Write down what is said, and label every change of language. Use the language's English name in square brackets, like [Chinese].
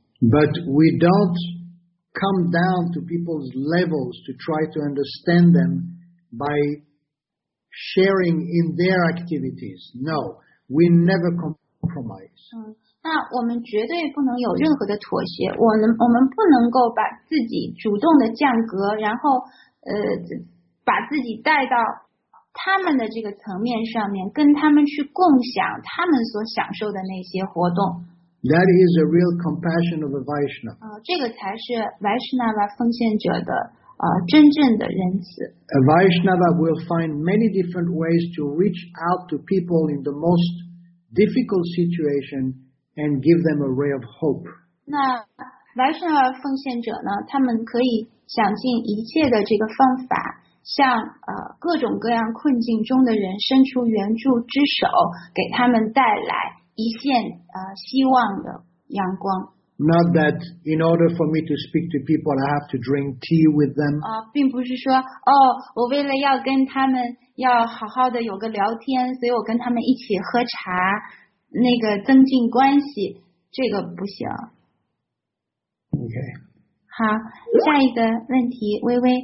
[English] But we don't come down to people's levels to try to understand them by sharing in their activities. No, we never compromise. [Chinese] 那我们绝对不能有任何的妥协。我们不能够把自己主动的降格，然后把自己带到他们的这个层面上面，跟他们去共享他们所享受的那些活动。 [English] That is a real compassion of a Vaishnava. [Chinese] 这个才是 Vaishnava 奉献者的真正的仁慈。 [English] A Vaishnava will find many different ways to reach out to people in the most difficult situation and give them a ray of hope. [Chinese] 那 Vaishnava 奉献者呢，他们可以想尽一切的这个方法，向各种各样困境中的人伸出援助之手，给他们带来一线希望的阳光。 [English] Not that in order for me to speak to people, I have to drink tea with them. [Chinese] 并不是说哦，我为了要跟他们要好好的有个聊天，所以我跟他们一起喝茶，那个增进关系，这个不行。 [English] Okay. [Chinese] 好，下一个问题，微微。